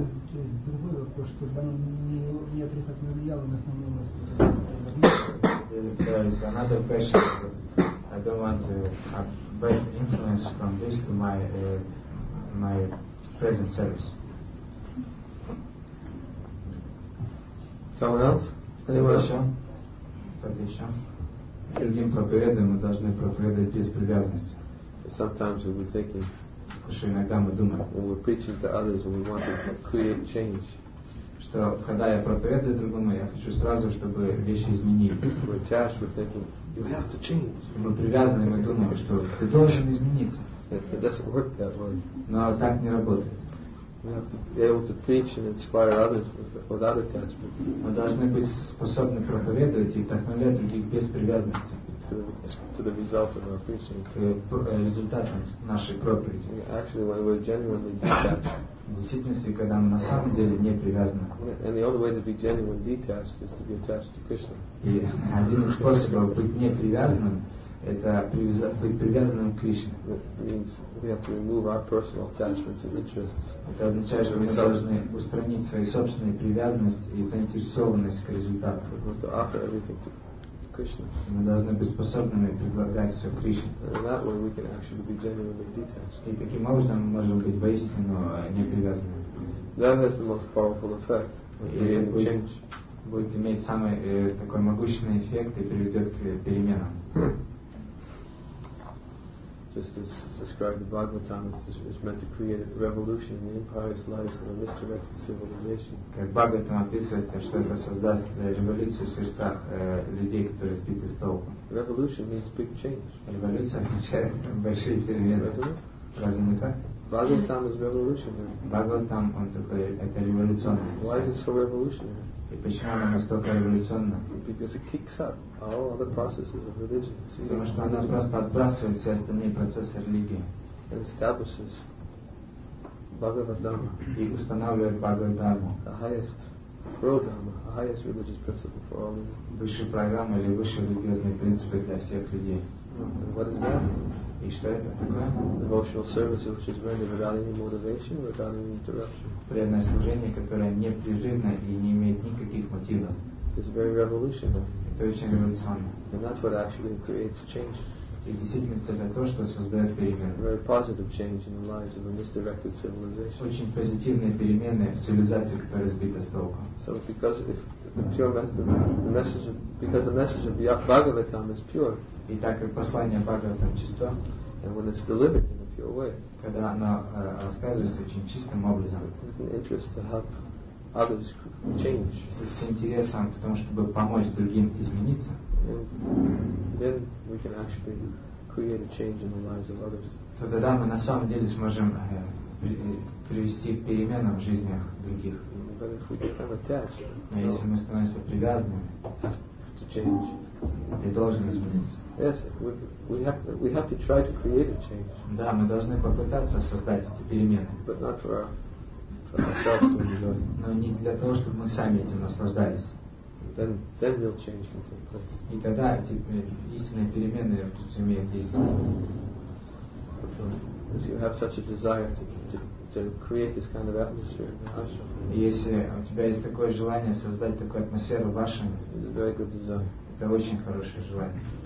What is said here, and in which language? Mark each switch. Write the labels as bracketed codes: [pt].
[ru] Через другой вопрос, чтобы не отрицательно влияло на основную массу. [en] There is another question, but I don't want to have bad influence from this to my my present service. Someone else? Anyone else? [ru] Кто-то еще? Другим проповедуем, мы должны проповедовать без привязанности. [en] Sometimes we'll be thinking, [ru] что иногда мы думаем, [en] when we're preaching to others, when we want to create change. [ru] Что когда я проповедую другому, я хочу сразу, чтобы вещи изменились. [en] We're attached, we're thinking, you have to change. [ru] Мы привязаны, мы думаем, что ты должен измениться. [en] It doesn't work that way. [ru] Но так не работает. [en] We have to be able to preach and inspire others without attachment. [ru] Мы должны быть способны проповедовать и вдохновлять других без привязанности. [en] To the results of our preaching. [ru] К результатам нашей проповеди. [en] Actually, when we're genuinely detached. [ru] действительности, когда мы на самом деле не привязаны. [en] And the only way to be genuine detached is to be attached to Krishna. [ru] И один из способов быть не привязанным это быть привязанным к Кришне. [en] Means we have to remove our personal attachments and interests. [ru] Это означает, что мы должны устранить свои собственные привязанности и заинтересованность к результату. [en] We have to offer everything to Krishna. [ru] Мы должны быть способными предлагать все Кришне. [en] And that way we can actually be genuinely detached. [ru] И таким образом мы можем быть воистину не привязанными. [en] That has the most powerful effect. [ru] Change будет иметь самый такой могущественный эффект и приведет к переменам. [en] Just as described in Bhagavatam, it's meant to create a revolution in the impious lives of a misdirected civilization. [ru] Как Бхагаватам описывается, что это создаст революцию в сердцах людей, которые сбиты с толку. [en] Revolution means big change. [ru] Революция означает большие перемены. Разве не так? [en] Bhagavatam is revolutionary. [ru] Бхагаватам, он такой, это революционный. [en] Why is it so revolutionary? [ru] И почему она настолько революционна? [en] Because it kicks up all other processes of religion. [ru] Потому что она просто отбрасывает все остальные процессы религии. [en] And establishes Bhagavad Dhamma. [ru] И устанавливает Бхагавад Дхамму. [en] The highest pro dhamma, the highest religious principle for all of them. [ru] Высшая программа или высшие религиозные принципы для всех людей. [en] And what is that? [ru] И что это такое? [en] Devotional service, which is rendered without any motivation, without any interruption. [ru] Преданное служение, которое непрерывно и не имеет никаких мотивов. [en] It's very revolutionary. [ru] Это очень революционно. [en] And that's what actually creates change. [ru] И действительно это то, что создает перемены. [en] Very positive change in the lives of a misdirected civilization. [ru] Очень позитивные перемены в цивилизации, которая сбита с толку. [en] So because if the pure message of, because the message of Bhagavatam is pure. [ru] И так как послание Бхагаватам чисто, [en] and when it's delivered in a pure way, [ru] когда оно рассказывается очень чистым образом, [en] with an interest to help others change, [ru] с интересом к тому, чтобы помочь другим измениться, [en] and then we can actually create a change in the lives of others. [ru] То тогда мы на самом деле сможем привести перемены в жизнях других. [en] But if we become attached, [ru] но если мы становимся привязанными, [en] to change. [ru] Ты должен измениться. [en] Yes, we have to try to create a change. [ru] Да, мы должны попытаться создать эти перемены. [en] But not for ourselves to enjoy. [ru] Но не для того, чтобы мы сами этим наслаждались. [en] Then real change can take place. [ru] И тогда эти истинные перемены имеют действие. [en] So if you have such a desire to create this kind of atmosphere in the ashram. [ru] Если у тебя есть такое желание создать такую атмосферу в вашем, [en] it's a very good desire. [ru] Это очень хорошее желание.